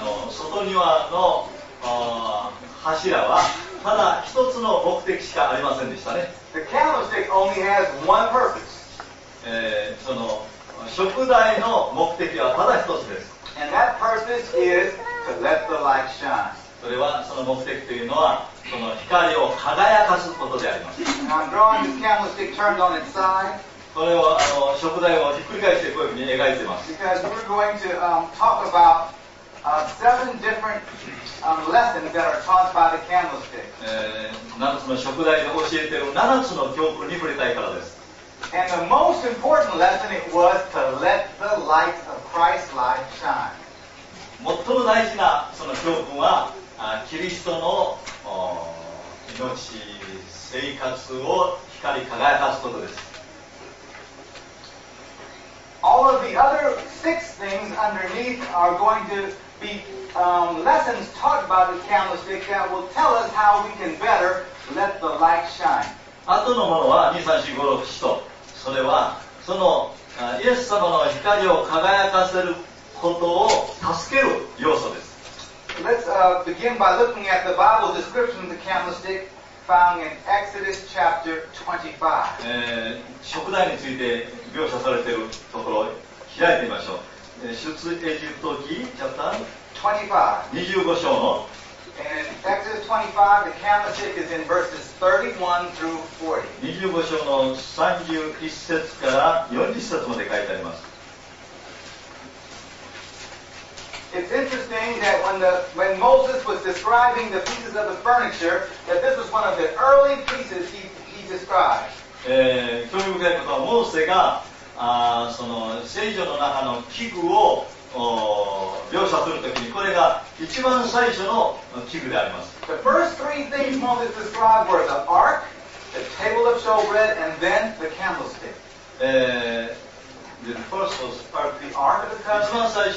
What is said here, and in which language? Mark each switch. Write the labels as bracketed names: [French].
[Japanese] 外庭の柱はただ一つの目的しかありませんでしたね。 [English] The candlestick only has one purpose. [Japanese] その燭台の目的はただ一つです。 [English] And that purpose is to let the light shine. [Japanese] それはその目的というのはその光を輝かすことであります。 [English] Now I'm drawing this candlestick turned on its side. [Japanese] それは食材をひっくり返してこういうふうに描いてます。 [English] Because we're going to talk about seven different lessons that are taught by the candlestick. [Japanese] 7つの食材が教えている7つの教訓に触れたいからです。 [English] And the most important lesson it was to let the light of Christ's light shine. [Japanese] 最も大事なその教訓は、キリストの命、生活を光り輝かすことです。 [English] All of the other six things underneath are going to be lessons taught by the candlestick that will tell us how we can better let the light shine. [Japanese] 後のものは2、3、4、5、6、7と、それはそのイエス様の光を輝かせることを助ける要素です。 [English] Let's begin by looking at the Bible description of the candlestick. Found in Exodus chapter 25. [Japanese] 燭台について描写されているところを開いてみましょう。出エジプト記 chapter 25. 25章の。 [English] And Exodus 25, the candlestick is in verses 31 through 40. [Japanese] 25章の31節から40節まで書いてあります。 [English] It's interesting that when Moses was describing the pieces of the furniture, that this was one of the early pieces he described. [Japanese] 興味深いことは、モーセが、その聖所の中の器具を描写するときに、これが一番最初の器具であります。 [English] The first three things Moses described were the ark, the table of showbread, and then the candlestick. The first was part of the ark of the covenant.